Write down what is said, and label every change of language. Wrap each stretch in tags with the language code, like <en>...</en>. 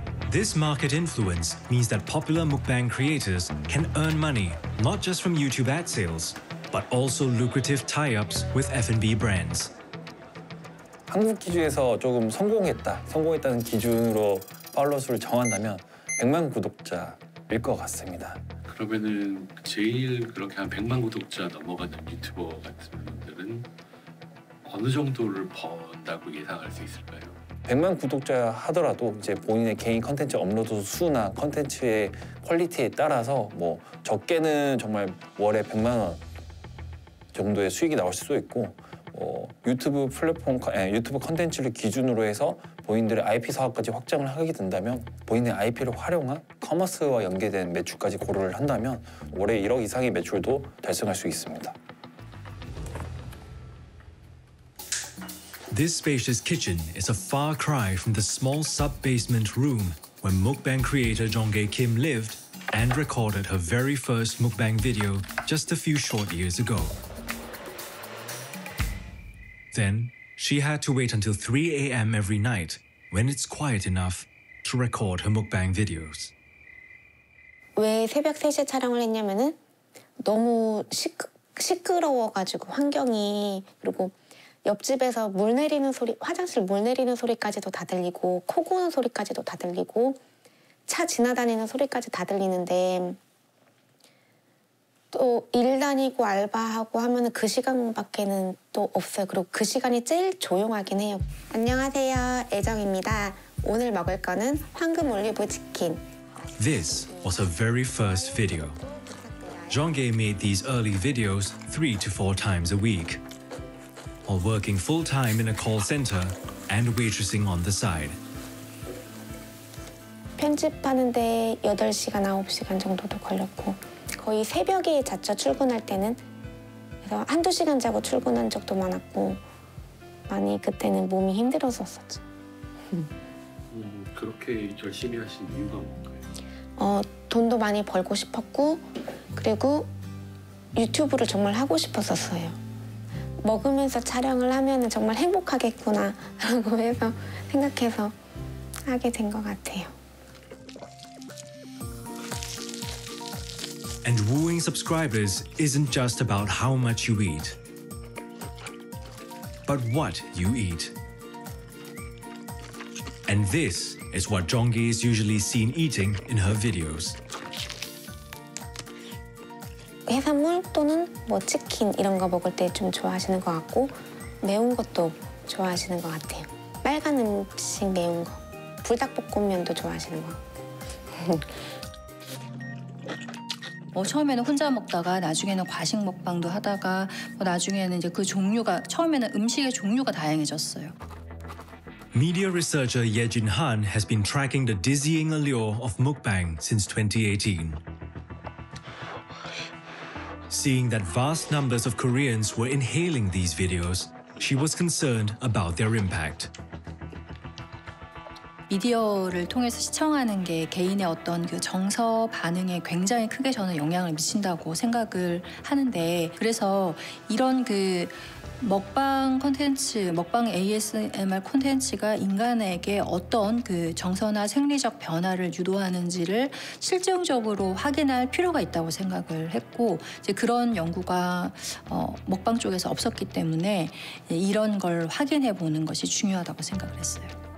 <en>This market influence means that popular mukbang creators can earn money not just from YouTube ad sales, but also lucrative tie-ups with F&B brands.</en> <ko>한국 기준에서 조금 성공했다는 기준으로 팔로워 수를 정한다면 100만 구독자일 것 같습니다. 그러면은 제일 그렇게 한 100만 구독자 넘어가는 유튜버 같은 분들은 어느 정도를 번다고 예상할 수 있을까요? 100만 구독자 하더라도 이제 본인의 개인 컨텐츠 업로드 수나 컨텐츠의 퀄리티에 따라서 뭐 적게는 정말 월에 100만 원 정도의 수익이 나올 수도 있고 유튜브 플랫폼 유튜브 컨텐츠를 기준으로 해서 본인들의 IP 사업까지 확장을 하게 된다면 본인의 IP를 활용한 커머스와 연계된 매출까지 고려를 한다면 올해 1억 이상의 매출도 달성할 수 있습니다.</ko> <en>This spacious kitchen is a far cry from the small sub-basement room where mukbang creator Jongae Kim lived and recorded her very first mukbang video just a few short years ago. Then, she had to wait until 3 a.m. every night when it's quiet enough to record her mukbang videos.</en> <ko>왜 새벽 3시에 촬영을 했냐면은 너무 시끄러워가지고 환경이 그리고 옆집에서 물 내리는 소리, 화장실 물 내리는 소리까지도 다 들리고 코 고는 소리까지도 다 들리고 차 지나다니는 소리까지 다 들리는데 또 일 다니고 알바하고 하면은 그 시간밖에는 또 없어요. 그리고 그 시간이 제일 조용하긴 해요. 안녕하세요, 애정입니다. 오늘 먹을 거는 황금 올리브 치킨.</ko> <en>This was her very first video. Jongae made these early videos 3 to 4 times a week, while working full time in a call center and waitressing on the side.</en> <ko>편집하는데 8시간, 9시간 정도도 걸렸고. 거의 새벽에 자차 출근할 때는 그래서 한두 시간 자고 출근한 적도 많았고 많이 그때는 몸이 힘들었었죠. 그렇게 열심히 하신 이유가 뭔가요? 돈도 많이 벌고 싶었고 그리고 유튜브를 정말 하고 싶었었어요. 먹으면서 촬영을 하면은 정말 행복하겠구나라고 해서 생각해서 하게 된 것 같아요.</ko> <en>And wooing subscribers isn't just about how much you eat, but what you eat. And this is what Jongae is usually seen eating in her videos.</en> <ko>해산물 또는 뭐 치킨 이런 거 먹을 때 좀 좋아하시는 것 같고 매운 것도 좋아하시는 것 같아요. 빨간 음식 매운 거, 불닭볶음면도 좋아하시는 것 같고. 처음에는 혼자 먹다가 나중에는 과식 먹방도 하다가 나중에는 이제 그 종류가 처음에는 음식의 종류가 다양해졌어요.</ko> <en>Media researcher Yejin Han has been tracking the dizzying allure of mukbang since 2018. Seeing that vast numbers of Koreans were inhaling these videos, she was concerned about their impact.</en> <ko>미디어를 통해서 시청하는 게 개인의 어떤 그 정서 반응에 굉장히 크게 저는 영향을 미친다고 생각을 하는데 그래서 이런 그 먹방 콘텐츠, 먹방 ASMR 콘텐츠가 인간에게 어떤 그 정서나 생리적 변화를 유도하는지를 실증적으로 확인할 필요가 있다고 생각을 했고, 이제 그런 연구가 먹방 쪽에서 없었기 때문에 이런 걸 확인해 보는 것이 중요하다고 생각을 했어요.</ko>